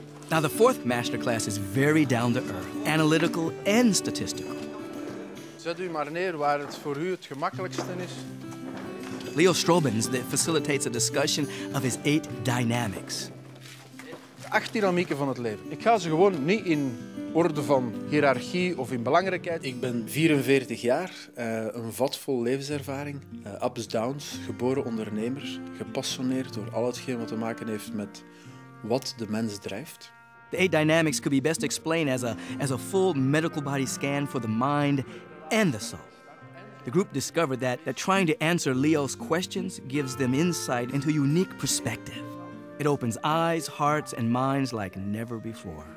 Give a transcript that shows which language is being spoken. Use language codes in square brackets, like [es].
[en] Now the fourth masterclass is very down to earth, analytical and statistical. [nl] Zet u maar neer waar het voor u het gemakkelijkste is. [en] Leo Strobens facilitates a discussion of his eight dynamics. [nl] De acht dynamieken van het leven. Ik ga ze gewoon niet in orde van hiërarchie of in belangrijkheid. Ik ben 44 jaar, een vat vol levenservaring. Ups, downs, geboren ondernemer. Gepassioneerd door al hetgeen wat te maken heeft met wat de mens drijft. [en] The eight dynamics could be best explained as a full medical body scan for the mind and the soul. The group discovered that trying to answer Leo's questions gives them insight into a unique perspective. It opens eyes, hearts, and minds like never before.